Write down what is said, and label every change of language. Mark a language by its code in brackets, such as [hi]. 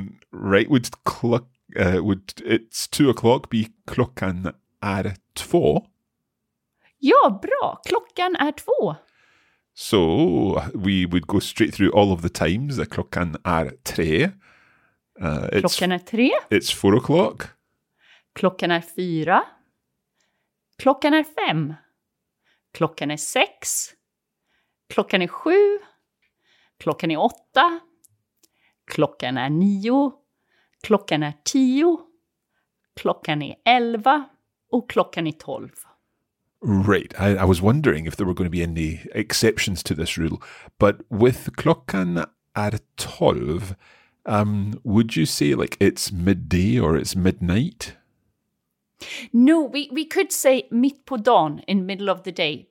[en] Right, would it's 2 o'clock be [sv] klockan är två? Ja, bra. Klockan är två. [en] So we would go straight through all of the times. [sv] Klockan är tre. Klockan är tre. [en] It's 4 o'clock. [sv] Klockan är fyra. Klockan är fem. Klockan är sex. Klockan är sju. Klockan är åtta. Klockan är nio. Klockan är 10, klockan är 11 och klockan är 12. [en] Right. I was wondering if there were going to be any exceptions to this rule. But with [sv] klockan är 12, [en] would you say like it's midday or it's midnight? No, we could say [sv] mitt på dagen, [en] in middle of the day.